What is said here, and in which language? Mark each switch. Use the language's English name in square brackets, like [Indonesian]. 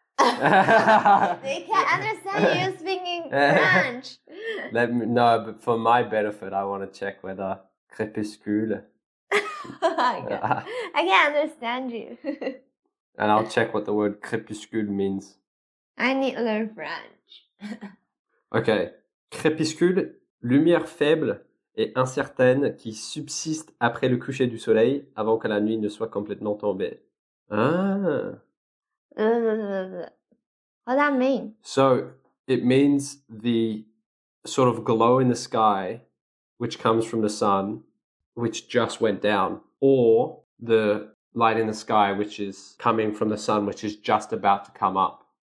[English] They can't understand you speaking French. But for my benefit, I want to check whether Crépuscule. I can't understand you. And I'll check what the word Crépuscule means. I need to learn French. Okay. [French] Crépuscule, lumière faible. Et incertaine qui subsiste après le coucher du soleil avant que la nuit ne soit complètement tombée. Ah. [English] What does that mean? So, it means the sort of glow in the sky which comes from the sun, which just went down, or the light in the sky, which is coming from the sun, which is just about to come up.